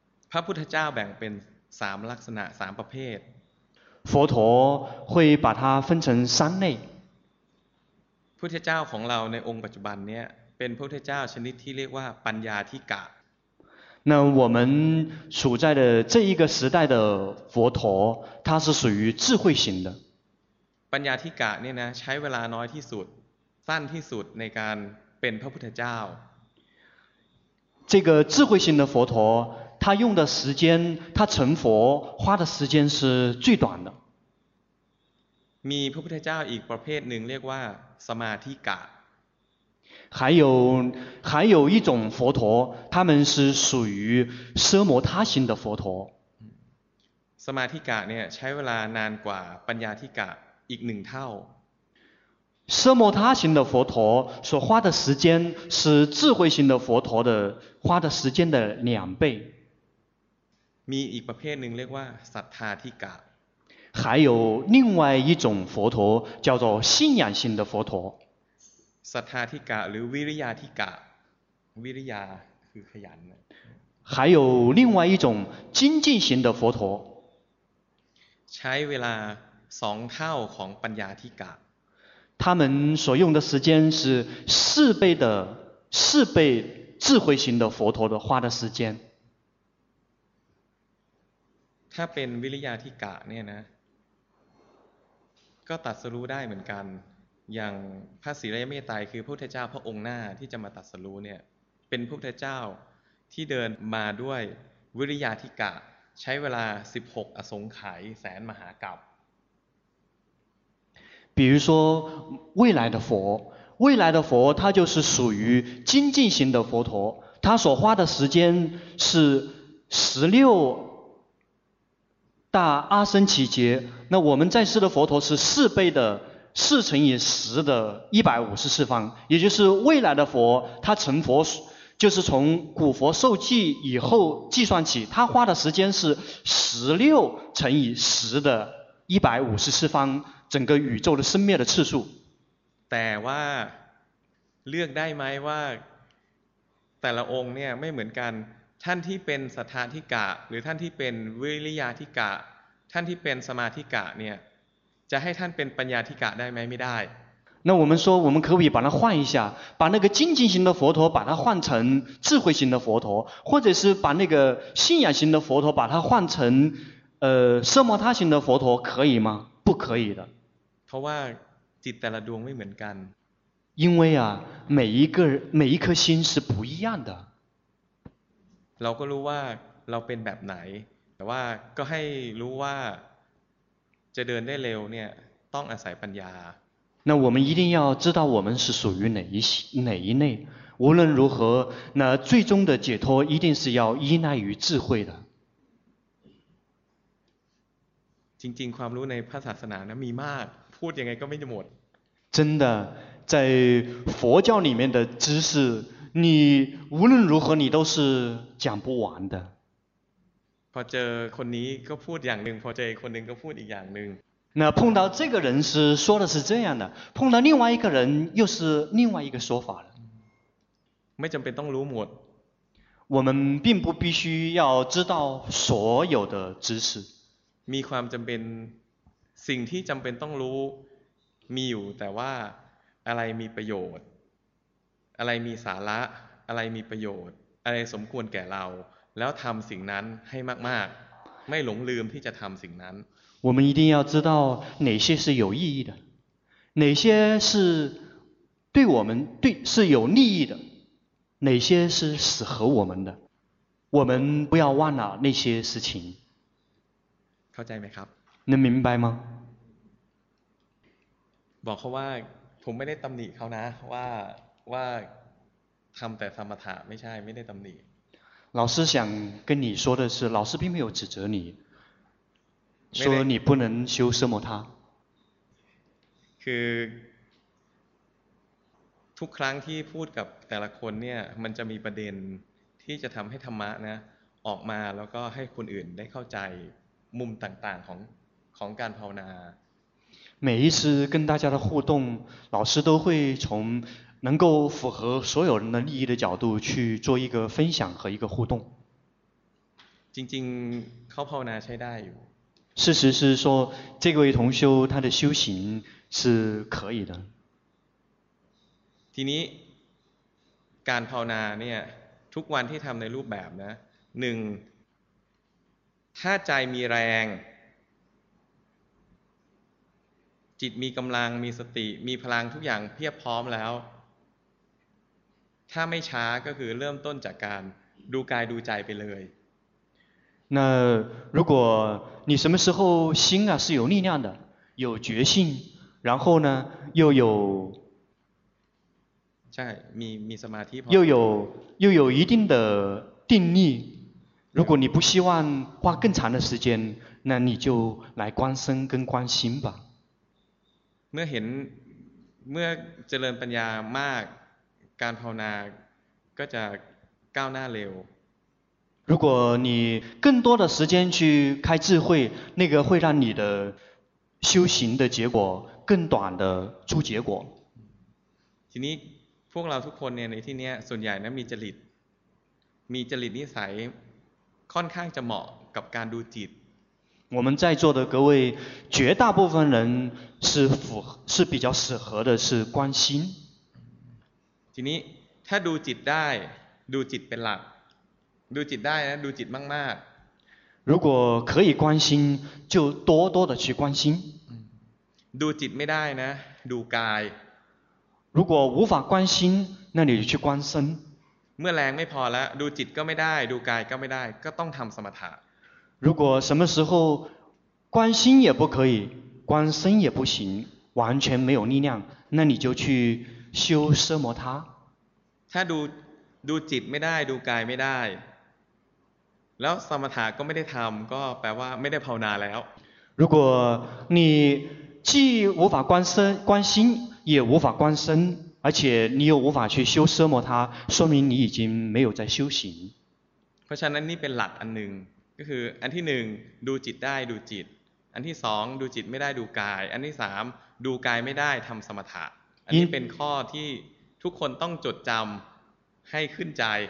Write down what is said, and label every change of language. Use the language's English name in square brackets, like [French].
[Thai] พระพุทธเจ้าแบ่งเป็นสามลักษณะสามประเภท。 [Chinese] 佛陀会把它分成三类。 [Thai] พุทธเจ้าของเราในองค์ปัจจุบันเนี้ยเป็นพุทธเจ้าชนิดที่เรียกว่าปัญญาธิกะ。 [Chinese] 那我们处在的这一个时代的佛陀，它是属于智慧型的。 [Thai] ปัญญาธิกะเนี่ยนะใช้เวลาน้อยที่สุดสั้นที่สุดในการเป็นพระพุทธเจ้า。 [Chinese] 这个智慧型的佛陀，他用的时间，他成佛花的时间是最短的。 [Thai] มีพระพุทธเจ้าอีกประเภทหนึ่งเรียกว่าสมาธิกะ。 [Chinese] 还有一种佛陀，他们是属于奢摩他型的佛陀。 [Thai] สมาธิกะเนี่ยใช้เวลานานกว่าปัญญาธิกะอีกหนึ่งเท่า。 [Chinese] 奢摩他型的佛陀所花的时间是智慧型的佛陀的花的时间的两倍。 [Thai] มีอีกประเภทหนึ่งเรียกว่าศรัทธาธิกะ。 [Chinese] 还有另外一种佛陀叫做信仰型的佛陀。 [Thai] ศรัทธาธิกะหรือวิริยาธิกะวิริยาคือขยัน [Chinese] 还有另外一种精进型的佛陀 [Thai] ใช้เวลา2เท่าของปัญญาธิกะ [Chinese] 他们所用的时间是4倍智慧型的佛陀的花的时间 [Thai] ถ้าเป็นวิริยาธิกะเนี่ยนะก็ตรัสรู้ได้เหมือนกันอย่างพระศรีอริยเมตตาคือพระพุทธเจ้าพระองค์หน้าที่จะมาตรัสรู้เนี่ยเป็นพระพุทธเจ้าที่เดินมาด้วยวิริยาธิกะใช้เวลา16อสงไขยแสนมหากัป ปีรู้ว่า [Chinese] 未来的佛未来的佛他就是属于精进型的佛陀他所花的时间是16 大阿僧祇劫那我们在世的佛陀是4倍的四乘以十的154方，也就是未来的佛，他成佛就是从古佛受记以后计算起，他花的时间是16×10的154方，整个宇宙的生灭的次数。 [Thai] แต่ว่าเลือกได้ไหมว่าแต่ละองค์เนี่ยไม่เหมือนกันท่านที่เป็นสัทธาธิกะหรือท่านที่เป็นวิริยาธิกะท่านที่เป็นสมาธิกะเนี่ยจะให้ท่านเป็นปัญญาธิกะได้ไหมไม่ได้ [Chinese] 那我们说我们可以把它换一下把那个精进型的佛陀把它换成智慧型的佛陀或者是把那个信仰型的佛陀把它换成奢摩他型的佛陀可以吗不可以的 [Thai] เพราะว่าจิตแต่ละดวงไม่เหมือนกัน [Chinese] 因为啊每一颗心是不一样的 [Thai] เราก็รู้ว่าเราเป็นแบบไหนแต่ว่าก็ให้รู้ว่าจะเดินได้เร็วเนี่ยต้องอาศัยปัญญา [Chinese] 那我们一定要知道我们是属于哪一类无论如何那最终的解脱一定是要依赖于智慧的 [Thai] จริงๆความรู้ในพระศาสนานะมีมากพูดยังไงก็ไม่จะหมด [Chinese] 真的在佛教里面的知识你无论如何你都是讲不完的 [Thai] พอเจอคนนี้ก็พูดอย่างหนึ่งพอเจอคนหนึ่งก็พูดอีกอย่างหนึ่ง [Chinese] 那碰到这个人是说的是这样的碰到另外一个人又是另外一个说法了 [Thai] ไม่จำเป็นต้องรู้หมด [Chinese] 我们并不必须要知道所有的知识 [Thai] มีความจำเป็นสิ่งที่จำเป็นต้องรู้มีอยู่แต่ว่าอะไรมีประโยชน์อะไรมีสาระอะไรมีประโยชน์อะไรสมควรแก่เราแล้วทำสิ่งนั้นให้มากๆไม่หลงลืมที่จะทำสิ่งนั้น [Chinese] 我们一定要知道哪些是有意义的哪些是对我们对是有利益的哪些是适合我们的我们不要忘了那些事情 [Thai] เข้าใจไหมครับ [Chinese] 能明白吗 [Thai] บอกเขาว่าผมไม่ได้ตำหนิเขานะว่าทำแต่สมถะไม่ใช่ไม่ได้ตำหนิ [Chinese] 老师想跟你说的是老师并没有指责你说你不能修奢摩他 [Thai] คือทุกครั้งที่พูดกับแต่ละคนเนี่ยมันจะมีประเด็นที่จะทำให้ธรรมะนะออกมาแล้วก็ให้คนอื่นได้เข้าใจมุมต่างๆของการภาวนา [Chinese] 每一次跟大家的互动老师都会从能够符合所有人的利益的角度去做一个分享和一个互动 [Thai] จริงๆเข้าภาวนาใช้ได้อยู่ [Chinese] 事实是说这位同修他的修行是可以的 [Thai] ทีนี้การภาวนาเนี่ยทุกวันที่ทำในรูปแบบนะหนึ่งถ้าใจมีแรงจิตมีกำลังมีสติมีพลังทุกอย่างเพียบพร้อมแล้วถ้าไม่ช้าก็คือเริ่มต้นจากการดูกายดูใจไปเลย [Chinese] 那如果你什么时候心啊是有力量的有决心然后呢又有 [Thai] ใช่มีสมาธิพอ [Chinese] 又有一定的定力如果你不希望花更长的时间那你就来观身跟观心吧 [Thai] เมื่อเห็นเมื่อเจริญปัญญามากการภาวนาก็จะก้าวหน้าเร็ว [Chinese] 如果你更多的时间去开智慧那个会让你的修行的结果更短的出结果 [Thai] ทีนี้พวกเราทุกคนเนี่ยในที่นี้ส่วนใหญ่นะมีจริตนิสัยค่อนข้างจะเหมาะกับการดูจิต [Chinese] 我们在座的各位绝大部分人是比较适合的是观心 [Thai] ทีนี้ถ้าดูจิตได้ดูจิตเป็นหลักดูจิตได้นะดูจิตมาก [Chinese] ๆ如果可以观心就多多的去观心 [Thai] ดูจิตไม่ได้นะดูกาย [Chinese] 如果无法观心那你去观身 [Thai] เมื่อแรงไม่พอแล้วดูจิตก็ไม่ได้ดูกายก็ไม่ได้ก็ต้องทำสมถะ [Chinese] 如果什么时候观心也不可以观身也不行完全没有力量那你就去修奢摩他 [Thai] ถ้าดูจิตไม่ได้ดูกายไม่ได้แล้วสมถะก็ไม่ได้ทำก็แปลว่าไม่ได้ภาวนาแล้ว [Chinese] 如果你既无法观身观心也无法观身而且你又无法去修奢摩他说明你已经没有在修行 [Thai] เพราะฉะนั้นนี่เป็นหลักอันหนึ่งก็คืออันที่หนึ่งดูจิตได้ดูจิตอันที่สองดูจิตไม่ได้ดูกายอันที่สามดูกายไม่ได้ทำสมถะอันนี้เป็นข้อที่ทุกคนต้องจดจำให้ขึ้นใจ